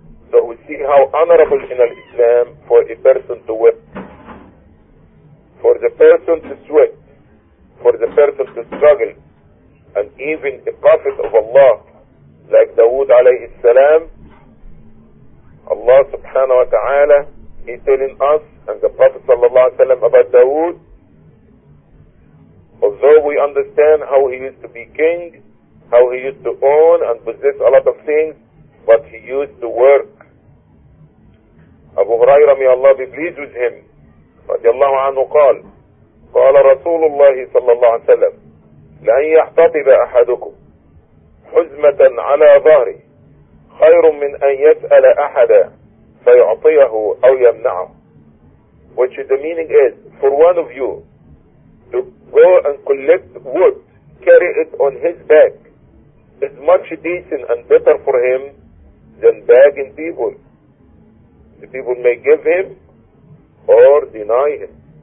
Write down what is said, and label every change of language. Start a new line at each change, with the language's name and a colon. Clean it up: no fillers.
English: So we see how honorable in Islam for a person to work, for the person to sweat, for the person to struggle, and even the Prophet of Allah, like Dawood alayhi salam, Allah subhanahu wa ta'ala, he telling us, and the Prophet sallallahu alayhi wa sallam about Dawood, although we understand how he used to be king, how he used to own and possess a lot of things, but he used to work. Abu Hurairah, may Allah be pleased with him, radiallahu anhu,
Arabic: قال رسول الله صلى الله عليه وسلم لأن يحتضب أحدكم حزمة على ظهره خير من أن يسأل أحدا فيعطيه أو يمنعه.
English: Which the meaning is, for one of you to go and collect wood, carry it on his back, is much decent and better for him than begging people. The people may give him or deny him.